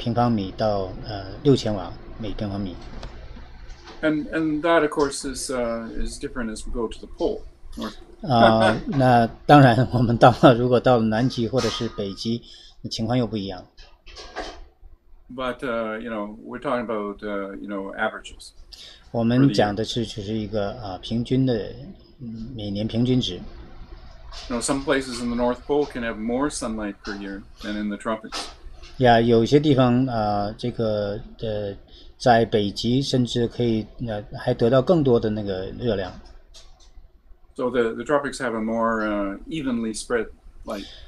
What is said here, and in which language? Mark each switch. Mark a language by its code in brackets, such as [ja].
[zh] 所以它是可以是在3000瓦每平方米到6000瓦每平方米。 [en] And that of course is different as we go to the pole. [zh] 那当然我们到了如果到了南极或者是北极情况又不一样。 [en] But you know, we're talking about you know, averages. [zh] 我们讲的是就是一个平均的每年平均值。 [en] You know, some places in the North Pole can have more sunlight per year than in the tropics. [zh] Yeah, 有些地方这个在北极甚至可以还得到更多的那个热量。 [en] So the tropics have a more evenly spread light.